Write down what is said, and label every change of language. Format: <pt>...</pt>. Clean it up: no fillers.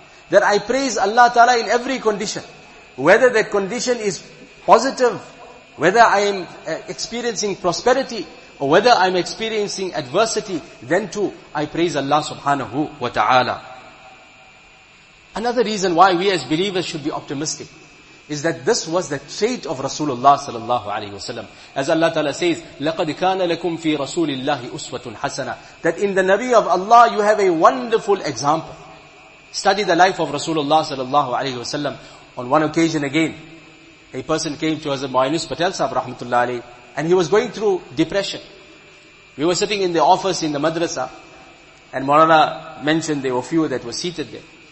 <en>That I praise Allah ta'ala in every condition. Whether that condition is positive, whether I am experiencing prosperity, or whether I am experiencing adversity, then too, I praise Allah subhanahu wa ta'ala. Another reason why we as believers should be optimistic is that this was the trait of Rasulullah sallallahu alaihi wasallam. As Allah Ta'ala says,</en> <ar>لَقَدْ كَانَ لَكُمْ فِي رَسُولِ اللَّهِ أُسْوَةٌ حَسَنَةٌ.</ar> <en>That in the Nabi of Allah, you have a wonderful example. Study the life of Rasulullah sallallahu alaihi wasallam. On one occasion again, a person came to Hazrat Muayyanus Patel sahab rahmatullah alayhi, and he was going through depression. We were sitting in the office in the madrasa, and Maulana mentioned there were few that were seated there.</en>